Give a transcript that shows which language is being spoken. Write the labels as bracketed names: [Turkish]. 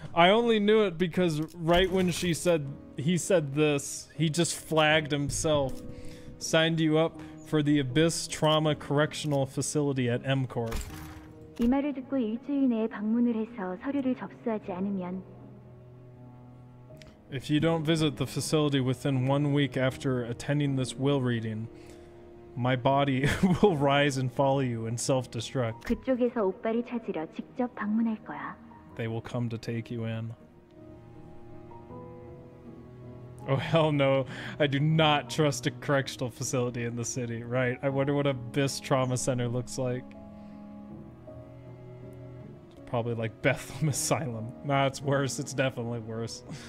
[English] I only knew it because right when she said... He said this. He just flagged himself. Signed you up for the Abyss Trauma Correctional Facility at M Corp. [Korean] 이 말을 듣고 일주일 내에 방문을 해서 서류를 접수하지 않으면 [English] If you don't visit the facility within 1 week after attending this will reading, my body will rise and follow you and self-destruct. [Korean] 그쪽에서 오빠를 찾으러 직접 방문할 거야. [English] They will come to take you in. Oh hell no, I do not trust a correctional facility in the city, right? I wonder what Abyss Trauma Center looks like. It's probably like Bethlehem Asylum. Nah, it's worse, it's definitely worse.